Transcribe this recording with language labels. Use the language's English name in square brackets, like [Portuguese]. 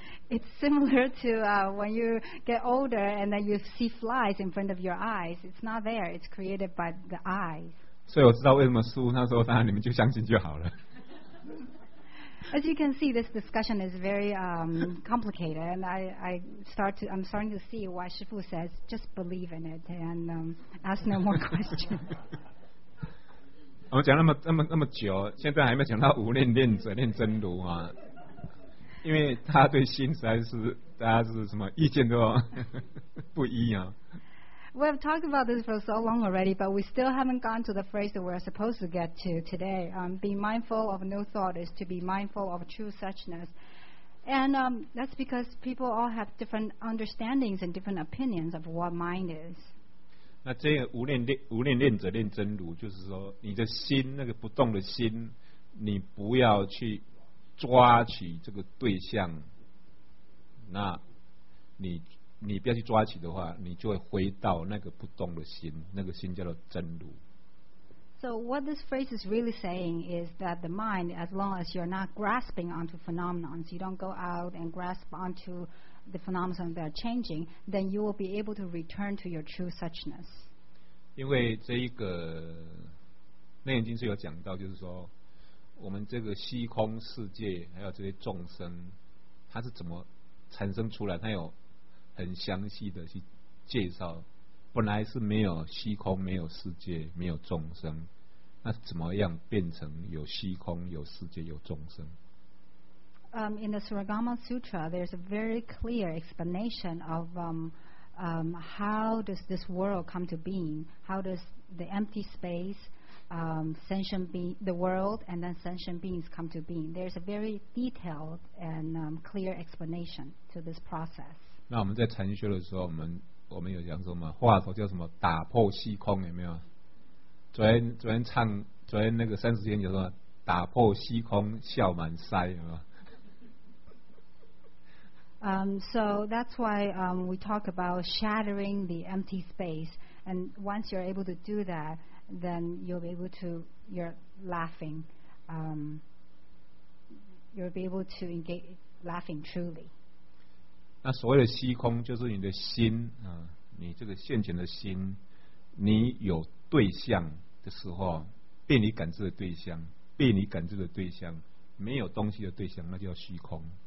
[English] It's similar to when you get older and then you see flies in front of your eyes. It's not there. It's created by the eyes. [Chinese] 所以我知道为什么师父他说，当然你们就相信就好了。 [English] As you can see, this discussion is very complicated, and I'm starting to see why Shifu says just believe in it and ask no more questions. [Chinese] 我们讲那么久，现在还没讲到无念念者念真如啊，因为他对心实在是大家是什么意见都不一啊。 [English] We have talked about this for so long already, but we still haven't gone to the phrase that we're supposed to get to today. Be mindful of no thought is to be mindful of true suchness. And that's because people all have different understandings and different opinions of what mind is. [Chinese] 那这个无念念者念真如，就是说你的心，那个不动的心，你不要去抓取这个对象，那你不要去抓起的话，你就会回到那个不动的心，那个心叫做真如。 [English] So what this phrase is really saying is that the mind, as long as you're not grasping onto phenomena, you don't go out and grasp onto the phenomena that are changing, then you will be able to return to your true suchness. [Chinese] 因为这一个楞严经是有讲到，就是说我们这个虚空世界还有这些众生，它是怎么产生出来，它有。很详细的去介绍，本来是没有虚空、没有世界、没有众生，那怎么样变成有虚空、有世界、有众生？ [English] In the Surigama Sutra, there's a very clear explanation of how does this world come to being? How does the empty space, sentient the world, and then sentient beings come to being? There's a very detailed and clear explanation to this process. [Chinese] 那我们在禅修的时候，我们有讲什么话头叫什么打破虚空，有没有？昨天那个三十天就说打破虚空笑满腮，有没有？ [English] So that's why we talk about shattering the empty space, and once you're able to do that, then you'll be able to you're laughing, you'll be able to engage laughing truly. [Chinese] 那所谓的虚空就是你的心、你这个现前的心，你有对象的时候，被你感知的对象，被你感知的对象，没有东西的对象，那叫虚空。